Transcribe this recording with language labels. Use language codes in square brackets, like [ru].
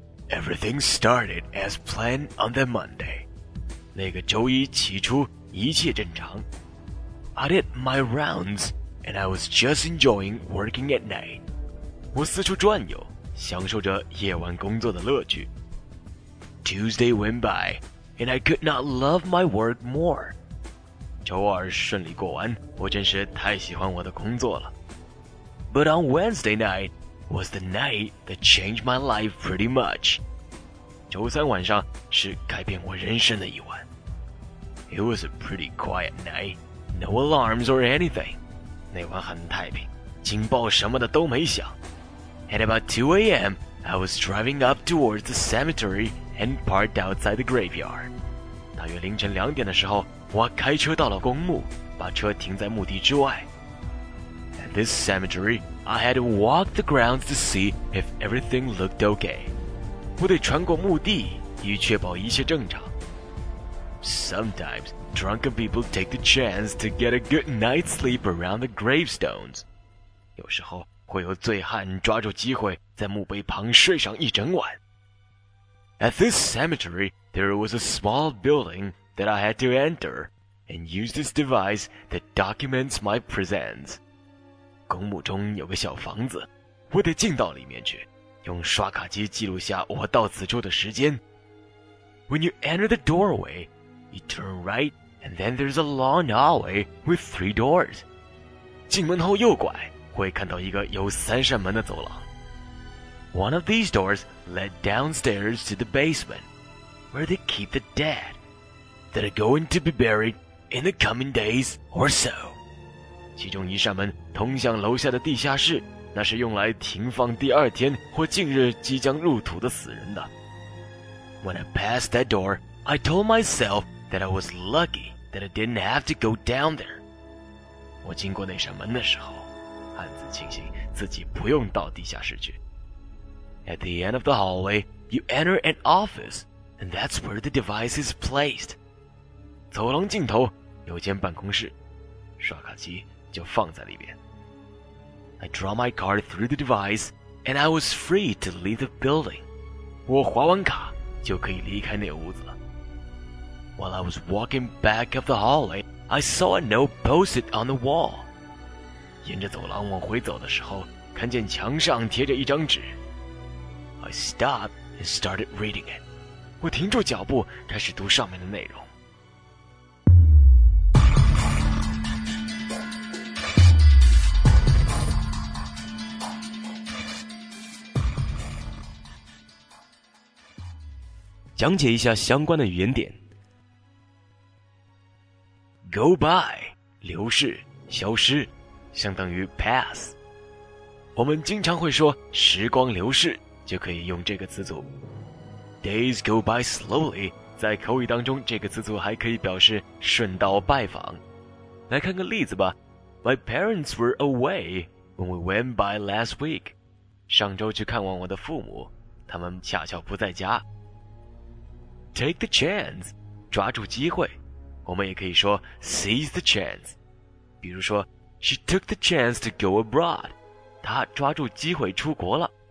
[en] Everything started as planned on the Monday. [zh] 那个周一起初一切正常。 [en] I did my rounds, and I was just enjoying working at night. [zh] 我四处转悠，享受着夜晚工作的乐趣。 [en] Tuesday went by, and I could not love my work more. [zh] 周二顺利过完，我真是太喜欢我的工作了。 [en] But on Wednesday night was the night that changed my life pretty much. [zh] 周三晚上是改变我人生的一晚。 [en] It was a pretty quiet night. No alarms or anything. [zh] 那晚很太平，警报什么的都没响。 [en] At about 2 a.m., I was driving up towards the cemetery and parked outside the graveyard. [zh] 大约凌晨两点的时候，我开车到了公墓，把车停在墓地之外。 [en] At this cemetery, I had to walk the grounds to see if everything looked okay. [zh] 我得穿过墓地以确保一切正常。 [en] sometimes drunken people take the chance to get a good night's sleep around the gravestones. [zh] 有时候会有醉汉抓住机会在墓碑旁睡上一整晚。 [en] At this cemetery, there was a small building that I had to enter and use this device that documents my presence. [zh] 公墓中有个小房子，我得进到里面去，用刷卡机记录下我到此处的时间。 [en] When you enter the doorway, you turn right, and then there's a long hallway with three doors. [zh] 进门后右拐，会看到一个有三扇门的走廊。 [en] One of these doors led downstairs to the basement, where they keep the dead that are going to be buried in the coming days or so. [zh] 其中一扇门通向楼下的地下室，那是用来停放第二天或近日即将入土的死人的。 [en] When I passed that door, I told myself that I was lucky that I didn't have to go down there. [zh] 我经过那扇门的时候，暗自庆幸自己不用到地下室去。 [en] At the end of the hallway, you enter an office, and that's where the device is placed. [zh] 走廊尽头有间办公室，刷卡机就放在里边。 [en] I draw my card through the device, and I was free to leave the building. [zh] 我划完卡就可以离开那屋子了。 [en] While I was walking back up the hallway, I saw a note posted on the wall. [zh] 沿着走廊往回走的时候，看见墙上贴着一张纸。 [en] I stopped and started reading it. [zh] 我停住脚步，开始读上面的内容。讲解一下相关的语言点。 [en] Go by, [zh] 流逝、消失，相当于 pass。我们经常会说时光流逝，就可以用这个词组。 [en] Days go by slowly, [zh] 在口语当中这个词组还可以表示顺道拜访。来看个例子吧。 [en] My parents were away when we went by last week. [zh] 上周去看望我的父母，他们恰巧不在家。 [en] Take the chance, [zh] 抓住机会。我们也可以说 [en] seize the chance. [zh] 比如说 [en] She took the chance to go abroad. [zh] 她抓住机会出国了。